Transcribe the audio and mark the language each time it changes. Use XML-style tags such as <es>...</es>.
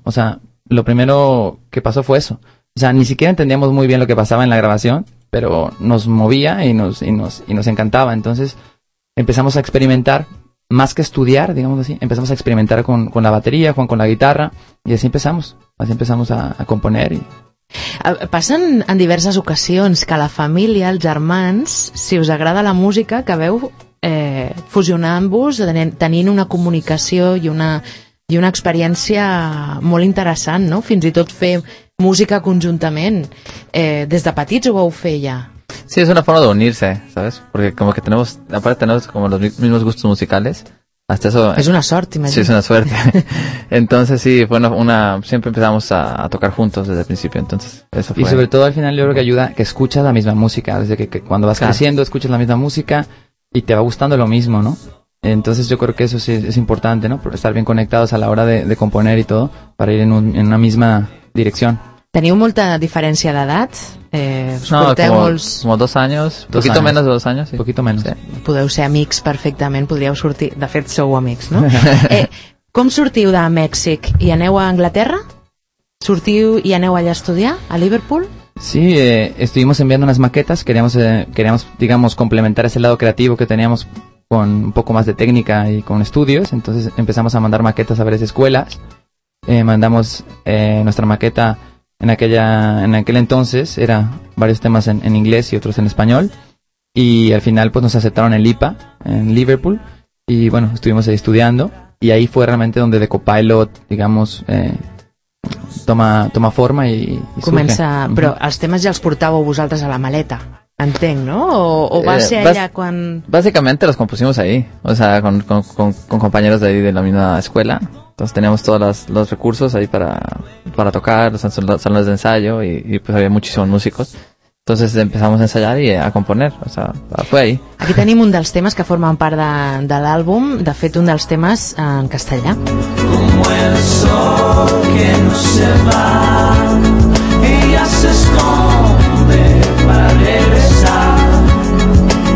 <es>O sea, lo primero que pasó fue eso. O sea, ni siquiera entendíamos muy bien lo que pasaba en la grabación, pero nos movía y nos encantaba. Entonces empezamos a experimentar. Más que estudiar, digamos así, empezamos a experimentar con la batería, Juan con la guitarra, y así empezamos. Así empezamos a componer.</es> <ca>Passen en diverses ocasions que la família, els germans, si us agrada la música, acabeu fusionant-vos, tenint una comunicació i una experiència molt interessant, no? Fins i tot fer música conjuntament. Des de petits ho vau fer ja.</ca> <es>Sí, es una forma de unirse, ¿sabes? Porque como que tenemos, aparte tenemos como los mismos gustos musicales, hasta eso... Es una suerte, imagínate. Sí, es una suerte. Entonces sí, fue una siempre empezamos a tocar juntos desde el principio, entonces eso fue. Y sobre todo al final yo creo que ayuda que escuchas la misma música, desde que cuando vas creciendo escuchas la misma música y te va gustando lo mismo, ¿no? Entonces yo creo que eso sí es importante, ¿no? Por estar bien conectados a la hora de componer y todo, para ir en una misma dirección.</es> <ca>¿Teníeu molta diferència d'edat?</ca> <es>Como dos años, poquito menos de dos años. Sí. Poquito menos. Sí.</es> <ca>Podeu ser amics perfectament, podríeu sortir... De fet, sou amics, no? Com sortiu de Mèxic? I aneu a Anglaterra? Sortiu i aneu allà a estudiar, a Liverpool?</ca> <es>Sí, estuvimos enviando unas maquetas, queríamos, digamos, complementar ese lado creativo que teníamos con un poco más de técnica y con estudios, entonces empezamos a mandar maquetas a varias escuelas, nuestra maqueta... En aquel entonces era varios temas en inglés y otros en español. Y al final pues nos aceptaron en LIPA, en Liverpool. Y bueno, estuvimos ahí estudiando. Y ahí fue realmente donde The Copilot, digamos, toma forma y</es> <ca>comença, surge. Però els temes ja els portàveu vosaltres a la maleta. Entenc, ¿no? O va ser allà quan...</ca> <es>Básicamente los compusimos ahí. O sea, con compañeros de ahí de la misma escuela. Entonces teníamos todos los recursos ahí para tocar, los salones de ensayo y pues había muchísimos músicos. Entonces empezamos a ensayar y a componer, o sea, fue ahí.</es> <ca>Aquí tenim un dels temes que formen part de l'àlbum, de fet un dels temes en castellà.</ca> <es>Como el sol que no se va y ya se esconde para regresar.</es>